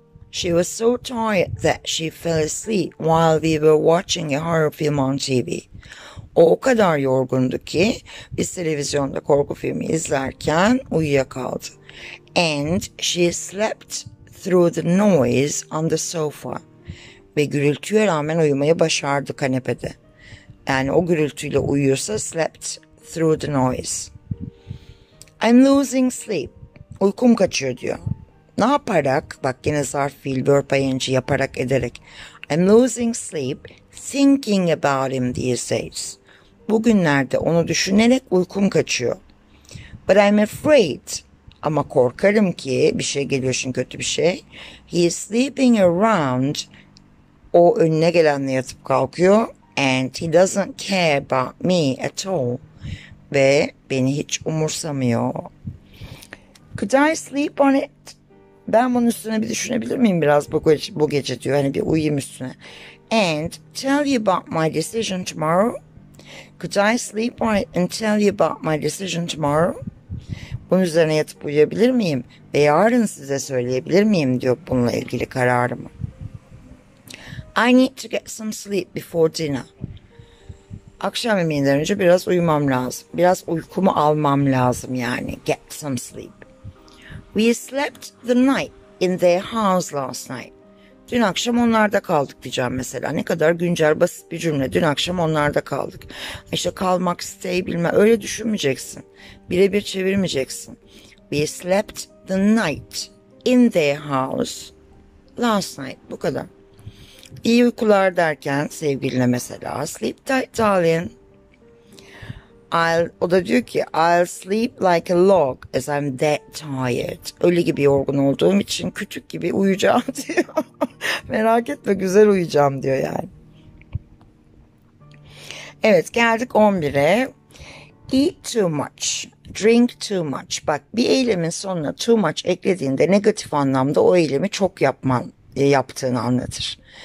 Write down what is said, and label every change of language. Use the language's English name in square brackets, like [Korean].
[English] She was so tired that she fell asleep while we were watching a horror film on TV. [Turkish] O kadar yorgundu ki biz televizyonda korku filmi izlerken uyuyakaldı. [English] And she slept through the noise on the sofa. [Turkish] Ve gürültüye rağmen uyumayı başardı kanepede. Yani o gürültüyle uyuyorsa [English] slept through the noise. I'm losing sleep. [Turkish] Uykum kaçıyor diyor. Ne yaparak? Bak yine zarf fiil, verb ing, yaparak, ederek. [English] I'm losing sleep thinking about him these days. [Turkish] Bugünlerde onu düşünerek uykum kaçıyor. [English] But I'm afraid. [Turkish] Ama korkarım ki bir şey geliyor şimdi, kötü bir şey. [English] He is sleeping around. [Turkish] O önüne gelenle yatıp kalkıyor. [English] And he doesn't care about me at all. [Turkish] Ve beni hiç umursamıyor. [English] Could I sleep on it? [Turkish] Ben bunun üstüne bir düşünebilir miyim biraz bu gece diyor. Hani bir uyuyayım üstüne. [English] And tell you about my decision tomorrow. Could I sleep on it and tell you about my decision tomorrow? [Turkish] Bunun üzerine yatıp uyuyabilir miyim? Ve yarın size söyleyebilir miyim diyor bununla ilgili kararımı. [English] I need to get some sleep before dinner. [Turkish] Akşam yemeğinden önce biraz uyumam lazım. Biraz uykumu almam lazım yani. [English] Get some sleep. We slept the night in their house last night. [Turkish] Dün akşam onlarda kaldık diyeceğim mesela. Ne kadar güncel, basit bir cümle. Dün akşam onlarda kaldık. İşte kalmak, stay, bilme. Öyle düşünmeyeceksin. Birebir çevirmeyeceksin. [English] We slept the night in their house last night. [Turkish] Bu kadar. İyi uykular derken sevgiline mesela. [English] Sleep tight darling. [Turkish] O da diyor ki [English] I'll sleep like a log as I'm that tired. [Turkish] Ölü gibi yorgun olduğum için küçük gibi uyuyacağım diyor. Merak etme, güzel uyuyacağım diyor yani. Evet, geldik 11'e. [English] Eat too much, drink too much. [Turkish] Bak, bir eylemin sonuna too much eklediğinde negatif anlamda o eylemi çok yapman yaptığını anlatır.